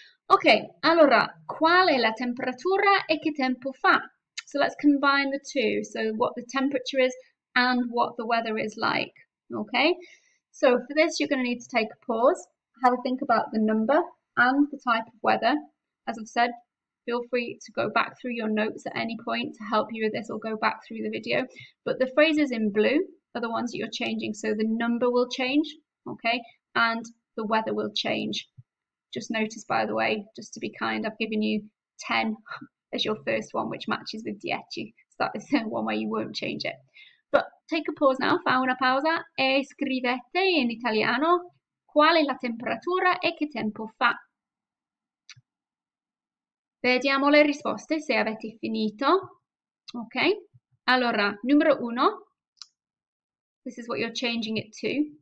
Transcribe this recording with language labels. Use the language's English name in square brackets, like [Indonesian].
[Italian] Okay, allora, qual è la temperatura e che tempo fa? [English] So let's combine the two. So what the temperature is and what the weather is like. Okay, so for this, you're going to need to take a pause, have a think about the number and the type of weather. As I've said, feel free to go back through your notes at any point to help you with this or go back through the video. But the phrases in blue are the ones that you're changing. So the number will change, okay, and the weather will change. Just notice, by the way, just to be kind, I've given you 10 as your first one, which matches with dieci. So that is one way you won't change it. Take a pause now, [Italian] fa una pausa e scrivete in italiano qual è la temperatura e che tempo fa. Vediamo le risposte se avete finito. [English] Ok, [Italian] allora, numero uno, [English] this is what you're changing it to.